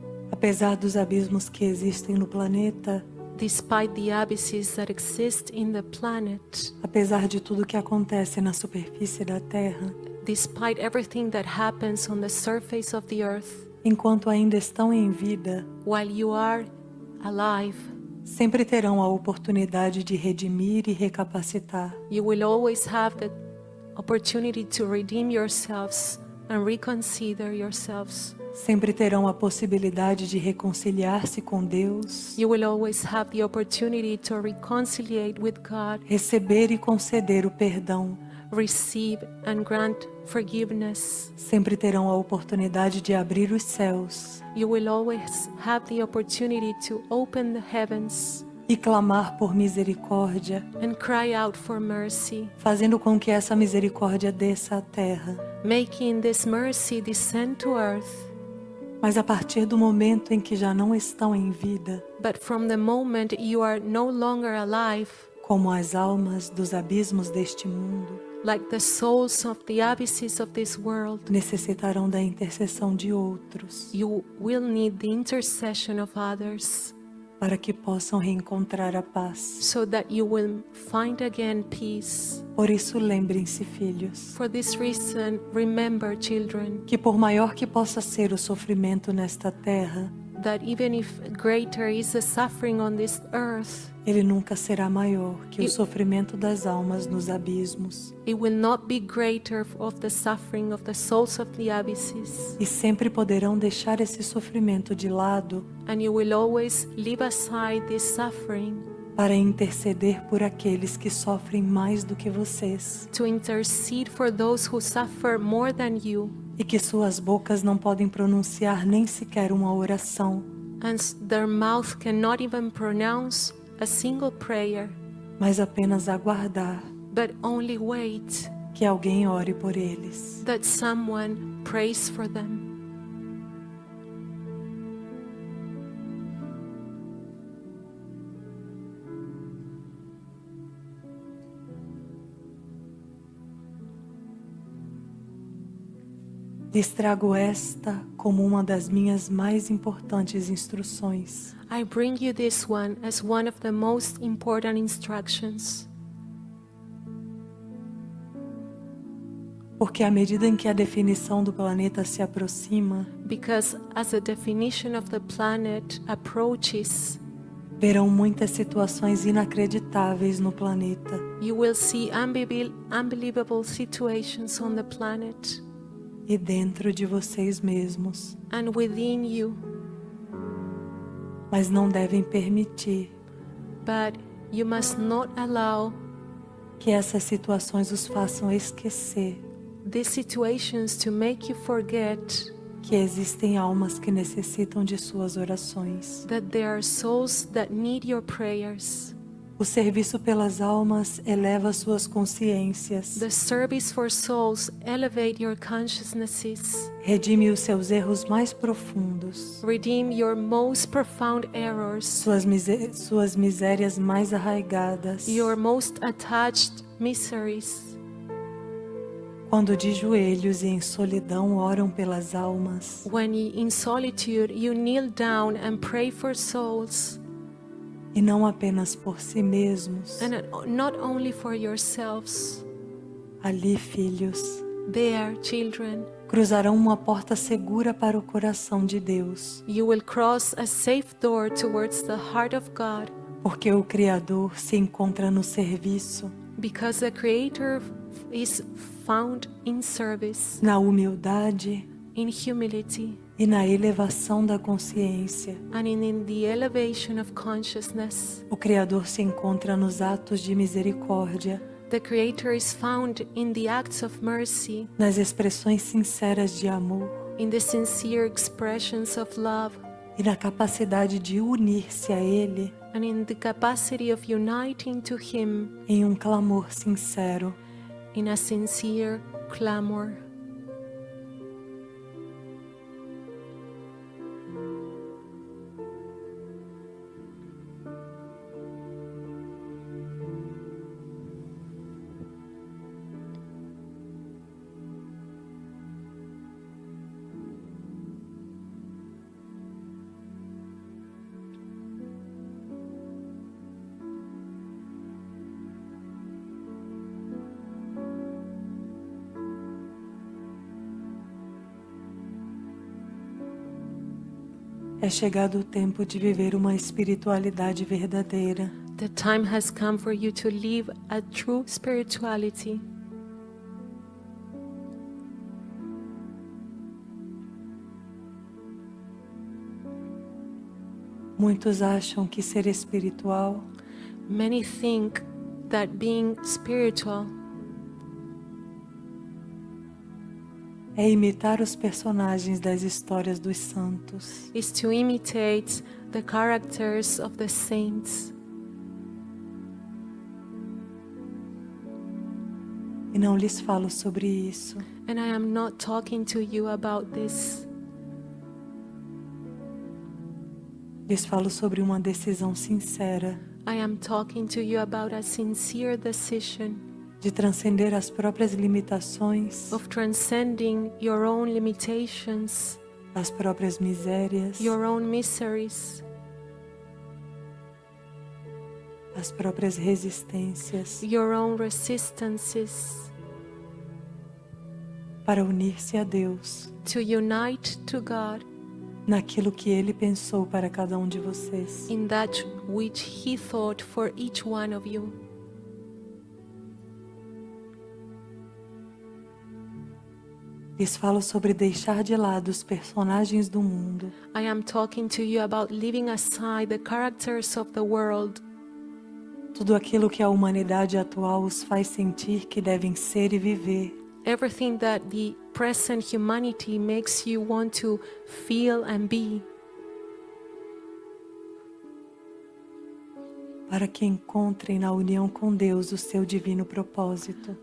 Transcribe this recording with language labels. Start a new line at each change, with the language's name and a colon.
Portuguese: Apesar dos abismos que existem no planeta,
English: despite the abysses that exist in the planet,
Portuguese: apesar de tudo que acontece na superfície da Terra,
English: despite everything that happens on the surface of the earth,
Portuguese: enquanto ainda estão em vida,
English: while you are alive,
Portuguese: sempre terão a oportunidade de redimir e recapacitar.
English: You will always have the opportunity to redeem yourselves and reconsider yourselves.
Portuguese: Sempre terão a possibilidade de reconciliar-se com Deus.
English: You will always have the opportunity to reconciliate with God.
Portuguese: Receber e conceder o perdão.
English: Receive and grant forgiveness.
Portuguese: Sempre terão a oportunidade de abrir os céus.
English: You will always have the opportunity to open the heavens.
Portuguese: E clamar por misericórdia.
English: And cry out for mercy.
Portuguese: Fazendo com que essa misericórdia desça à terra.
English: Making this mercy descend to earth.
Portuguese: Mas a partir do momento em que já não estão em vida,
English: but from the moment you are no longer alive,
Portuguese: como as almas dos abismos deste mundo,
English: like the souls of the abysses of this world,
Portuguese: necessitarão da intercessão de outros,
English: you will need the intercession of others,
Portuguese: para que possam reencontrar a paz,
English: so that you will find again peace.
Portuguese: Por isso lembrem-se, filhos,
English: for this reason, remember, children,
Portuguese: que por maior que possa ser o sofrimento nesta terra,
English: that even if greater is the suffering on this earth,
Portuguese: ele nunca será maior que o sofrimento das almas nos abismos.
English: It will not be greater of the suffering of the souls of the abysses.
Portuguese: E sempre poderão deixar esse sofrimento de lado.
English: And you will always leave aside this suffering.
Portuguese: Para interceder por aqueles que sofrem mais do que vocês.
English: To intercede for those who suffer more than you.
Portuguese: E que suas bocas não podem pronunciar nem sequer uma oração.
English: And their mouth cannot even pronounce a single prayer,
Portuguese: mas apenas aguardar,
English: but only wait,
Portuguese: Que alguém ore por eles.
English: That someone prays for them.
Portuguese: Destrago esta como uma das minhas mais importantes instruções.
English: I bring you this one as one of the most important instructions.
Portuguese: Porque à medida em que a definição do planeta se aproxima,
English: because as the definition of the planet approaches,
Portuguese: verão muitas situações inacreditáveis no planeta.
English: You will see unbelievable situations on the planet.
Portuguese: E dentro de vocês mesmos.
English: And within you.
Portuguese: Mas não devem permitir.
English: But you must not allow
Portuguese: que essas situações os façam esquecer.
English: These situations to make you forget
Portuguese: que existem almas que necessitam de suas orações.
English: That there are souls that need your prayers.
Portuguese: O serviço pelas almas eleva suas consciências.
English: The service for souls elevate your consciousnesses.
Portuguese: Redime os seus erros mais profundos.
English: Redeem your most profound errors.
Portuguese: Suas misérias mais arraigadas.
English: Your most attached miseries.
Portuguese: Quando de joelhos e em solidão oram pelas almas.
English: When in solitude you kneel down and pray for souls.
Portuguese: E não apenas por si mesmos.
English: And not only for yourselves.
Portuguese: Ali, filhos.
English: There, children.
Portuguese: Cruzarão uma porta segura para o coração de Deus.
English: You will cross a safe door towards the heart of God.
Portuguese: Porque o Criador se encontra no serviço.
English: Because the Creator is found in service.
Portuguese: Na humildade.
English: In humility.
Portuguese: E na elevação da consciência.
English: And in the elevation of consciousness.
Portuguese: O Criador se encontra nos atos de misericórdia.
English: The Creator is found in the acts of mercy.
Portuguese: Nas expressões sinceras de amor.
English: In the sincere expressions of love.
Portuguese: E na capacidade de unir-se a Ele.
English: And in the capacity of uniting to Him.
Portuguese: Em um clamor sincero.
English: In a sincere clamor.
Portuguese: É chegado o tempo de viver uma espiritualidade verdadeira.
English: The time has come for you to live a true spirituality.
Portuguese: Muitos acham que ser espiritual.
English: Many think that being spiritual
Portuguese: é imitar os personagens das histórias dos santos.
English: Is to imitate the characters of the saints.
Portuguese: E não lhes falo sobre isso.
English: And I am not talking to you about this.
Portuguese: Lhes falo sobre uma decisão sincera.
English: I am talking to you about a sincere decision.
Portuguese: De transcender as próprias limitações.
English: Of transcending your own limitations.
Portuguese: As próprias misérias.
English: Your own miseries.
Portuguese: As próprias resistências.
English: Your own resistances.
Portuguese: Para unir-se a Deus.
English: To unite to God.
Portuguese: Naquilo que Ele pensou para cada um de vocês.
English: In that which He thought for each one of you.
Portuguese: Lhes falo sobre deixar de lado os personagens do mundo.
English: I am talking to you about leaving aside the characters of the world.
Portuguese: Tudo aquilo que a humanidade atual os faz sentir que devem ser e viver.
English: Everything that the present humanity makes you want to feel and be.
Portuguese: para que encontrem na união com Deus o seu divino propósito.